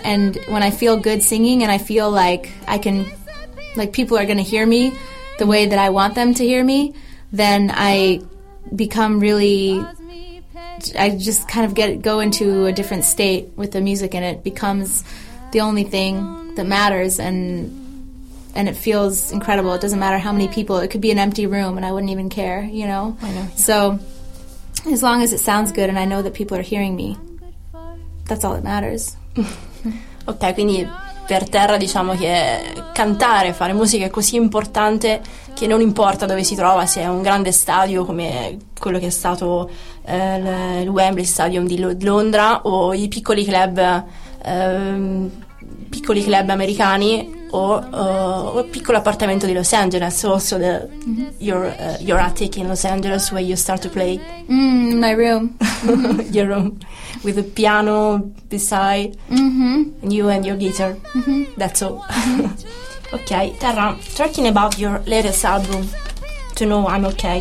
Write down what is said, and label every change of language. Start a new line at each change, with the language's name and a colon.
English: And when I feel good singing and I feel like I can, like people are going to hear me the way that I want them to hear me, then I become really, I just kind of go into a different state with the music, and it becomes the only thing that matters, and it feels incredible. It doesn't matter how many people, it could be an empty room and I wouldn't even care, you know? I know. So as long as it sounds good and I know that people are hearing me, that's all that matters.
Italian: Ok, quindi per terra diciamo che cantare, fare musica è così importante che non importa dove si trova, se è un grande stadio come quello che è stato il Wembley Stadium di Londra o i piccoli club americani o piccolo appartamento di Los Angeles.
English: Also the your attic in Los Angeles where you start to play. My room. Your room with a piano beside. Mm-hmm. And you and your guitar. Mm-hmm. That's all. Okay, Terra, talking about your latest album, To Know I'm Okay.